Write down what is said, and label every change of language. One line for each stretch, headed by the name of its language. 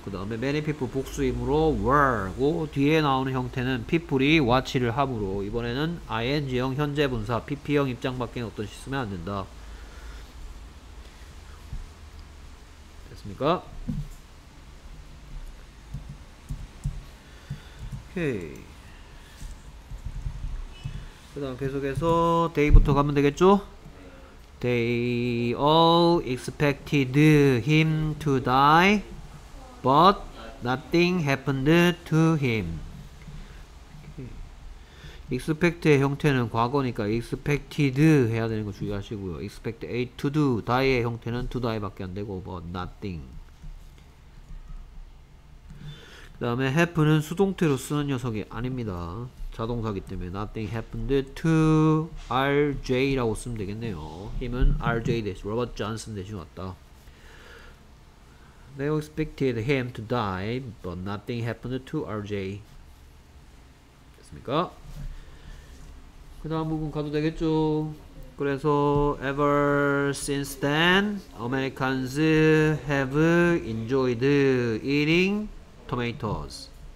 Korean: 그 다음에
English: many people
Korean: 복수이므로 were고 뒤에 나오는 형태는 people이 watch를 함으로 이번에는 ing형 현재분사 pp형 입장 밖에는 어떤 시 쓰면 안 된다. 됐습니까? 오케이. 그 다음 계속해서 day부터 가면 되겠죠?
English: They all expected him to die, but nothing happened to him.
Korean: Okay. Expect의 형태는 과거니까
English: expected
Korean: 해야 되는 거 주의하시고요.
English: Expect a to do,
Korean: die의 형태는
English: to die
Korean: 밖에 안 되고,
English: but nothing.
Korean: 그 다음에 happen은 수동태로 쓰는 녀석이 아닙니다. 자동사기 때문에
English: nothing happened to RJ
Korean: 라고 쓰면 되겠네요. him은 RJ 대신 Robert Johnson 대신 왔다.
English: They expected him to die but nothing happened to RJ.
Korean: 됐습니까? 그 다음 부분 가도 되겠죠.
English: 그래서 ever since then Americans have enjoyed eating tomatoes.